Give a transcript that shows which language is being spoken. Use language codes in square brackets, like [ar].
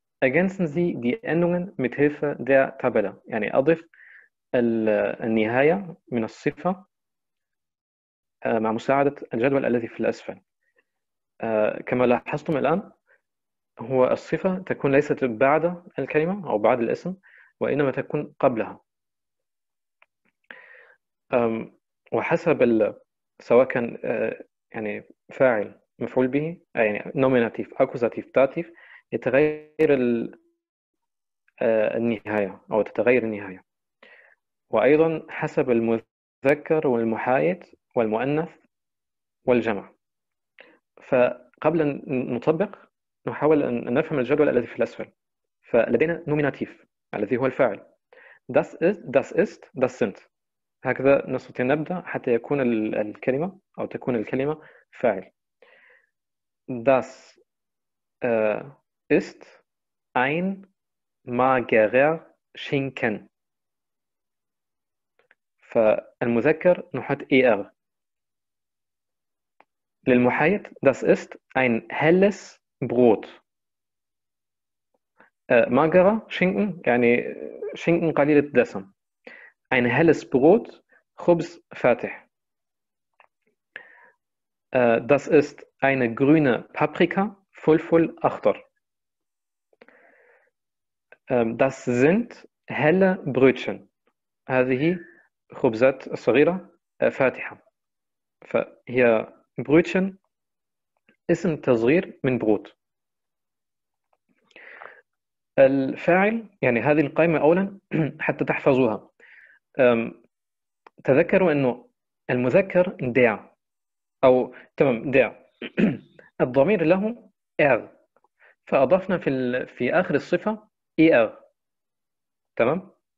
[de] Ergänzen Sie die Endungen mit Hilfe der Tabelle. [ar] يعني أضف النهاية من الصفة مع مساعدة الجدول الذي في الأسفل. كما لاحظتم الآن هو الصفة تكون ليست بعد الكلمة أو بعد الاسم وإنما تكون قبلها. وحسب سواء كان يعني فاعل مفعول به يعني nominative accusative dative يتغير النهاية أو تتغير النهاية. وأيضا حسب المذكر والمحايد والمؤنث والجمع. فقبل أن نطبق نحاول أن نفهم الجدول الذي في الأسفل. فلدينا نوميناتيف الذي هو الفاعل. [de] Das ist, das ist, das sind. [ar] هكذا نستطيع نبدأ حتى يكون الكلمة أو تكون الكلمة فاعل. [de] Das ist ein magerer Schinken. [ar] فالمذكر نحط er. للمحايد [de] Das ist ein helles Brot. [ar] ماجرا شينكن يعني شينكن قليل الدسم. [de] ein helles Brot, [ar] خبز فاتح. [de] Das ist eine grüne Paprika, [ar] فلفل أخضر. [de] Das sind helle Brötchen. [ar] هذه خبزات صغيرة فاتحة. فهي Brötchen اسم تصغير من بروت. الفاعل يعني هذه القائمة أولا حتى تحفظوها. تذكروا أنه المذكر داع أو تمام داع الضمير له إر فأضفنا في آخر الصفة إر تمام.